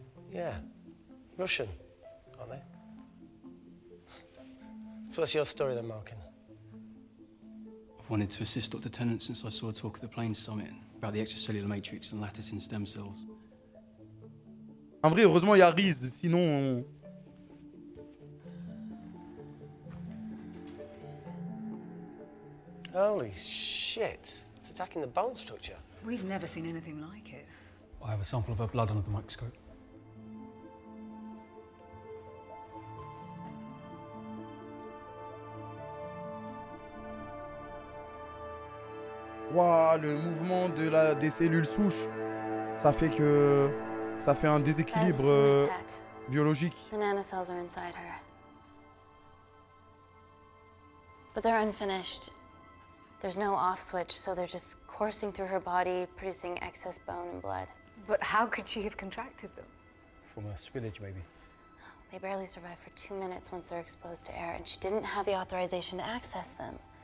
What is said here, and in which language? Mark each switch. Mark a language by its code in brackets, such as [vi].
[en] Yeah. Russian, aren't they? So what's your story then, Malkin? I've wanted to assist Dr. Tennant since I saw a talk at the Plains Summit about the extracellular matrix and lattice in stem cells. [fr] En vrai, heureusement, il y a Riz, sinon... [en] Holy shit. Attacking the bone structure. We've never seen anything like it. I have a sample of her blood under the microscope. [fr] Wow, le mouvement de la des cellules souches, ça fait un déséquilibre biologique. [en] The nanocells are inside her. But they're unfinished. There's no off switch, so they're just coursing through her body, producing excess bone and blood. But how could she have contracted them? From a spillage, maybe. They barely survive for 2 minutes once they're exposed to air, and she didn't have the authorization to access them.